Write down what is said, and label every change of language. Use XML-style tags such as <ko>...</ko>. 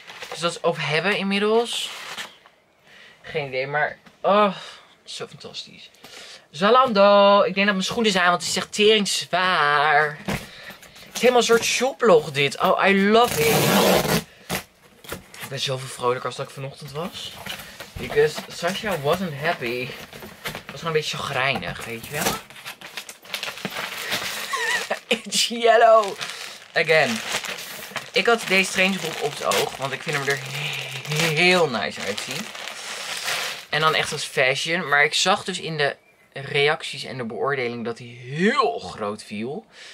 <nl>Dus dat ze op hebben inmiddels. Geen idee, maar... Oh, zo fantastisch. Zalando. Ik denk dat mijn schoenen zijn, want het is echt tering zwaar. Het is helemaal een soort shoplog dit.</nl> <en>Oh, I love it.</en> <nl>Ik ben zoveel vrolijker als dat ik vanochtend was.</nl> <en>Because Sasha wasn't happy.</en> <nl>Het was gewoon een beetje chagrijnig, weet je wel.</nl> <en>It's yellow. Again.</en> <nl>Ik had deze strange broek op het oog, want ik vind hem er heel nice uitzien. En dan echt als fashion. Maar ik zag dus in de reacties en de beoordeling dat hij heel groot viel.</nl>